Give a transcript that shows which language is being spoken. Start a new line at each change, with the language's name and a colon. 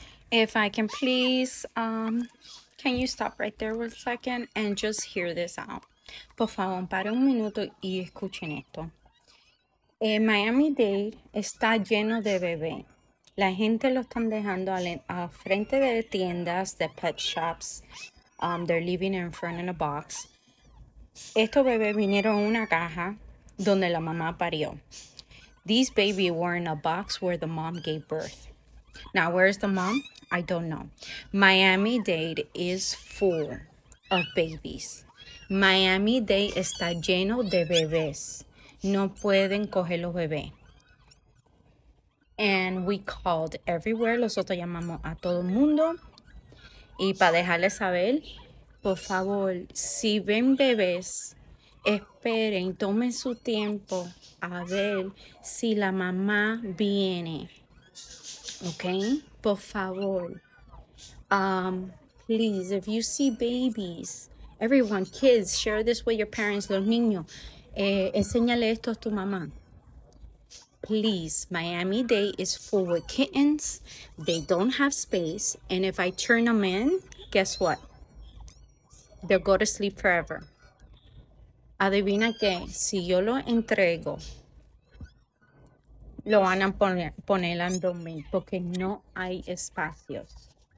English: If I can please, can you stop right there one second and just hear this out?
Spanish: Por favor, para un minuto y escuchen esto. En Miami-Dade está lleno de bebé. La gente lo están dejando al frente de tiendas, de pet shops.
English: They're leaving in front in a box.
Spanish: Estos bebés vinieron en una caja donde la mamá parió.
English: These babies were in a box where the mom gave birth. Now, where's the mom? I don't know. Miami-Dade is full of babies.
Spanish: Miami-Dade está lleno de bebés. No pueden coger los bebés.
English: And we called everywhere.
Spanish: Nosotros llamamos a todo el mundo. Y para dejarles saber, por favor, si ven bebés, esperen, tomen su tiempo a ver si la mamá viene.
English: Okay?
Spanish: Por favor.
English: Please, if you see babies, everyone, kids, share this with your parents,
Spanish: los niños. Enséñale esto a tu mamá.
English: Please, Miami-Dade is full with kittens. They don't have space. And if I turn them in, guess what? They'll go to sleep forever.
Spanish: Adivina qué? Si yo lo entrego, lo van a poner en dormir porque no hay espacios.